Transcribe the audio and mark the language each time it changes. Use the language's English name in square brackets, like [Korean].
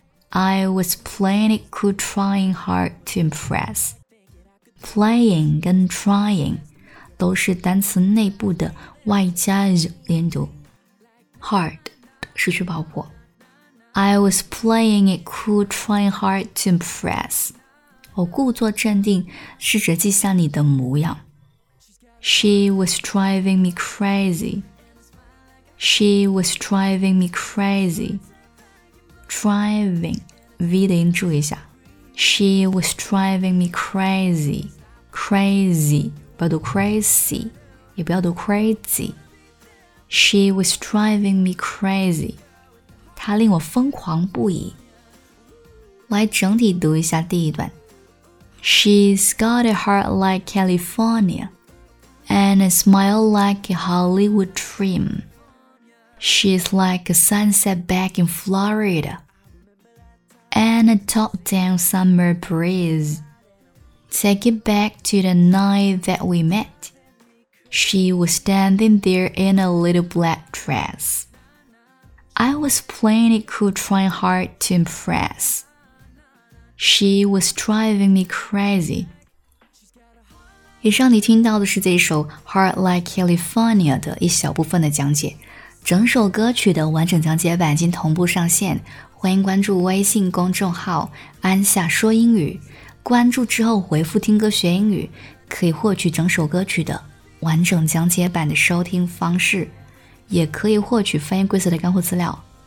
[English] I was playing it cool, trying hard to impress. Playing [Chinese] 跟 [English] trying [Chinese] 都是单词内部的外加 z 连读。 Hard 失去爆破。 [English] I was playing it cool, trying hard to impress. [Chinese] 我故作镇定，试着记下你的模样。 [English] She was driving me crazy. She was driving me crazy. Driving, [Chinese] V 的音注意一下。 [English] She was driving me crazy. Crazy, [Chinese] 不要读 crazy， 也不要读 crazy。 [English] She was driving me crazy， [Chinese] 她令我疯狂不已。来整体读一下第一段。 [English] She's got a heart like California and a smile like a Hollywood dream. She's like a sunset back in Florida and a top-down summer breeze. Take it back to the night that we met. She was standing there in a little black dress. I was playing it cool, trying hard to impress. She was driving me crazy. [Chinese] 以上你听到的是这首 Heart Like California 的一小部分的讲解。整首歌曲的完整讲解版已经同步上线，欢迎关注微信公众号安夏说英语，关注之后回复听歌学英语，可以获取整首歌曲的完整讲解版的收听方式，也可以获取翻译规则的干货资料。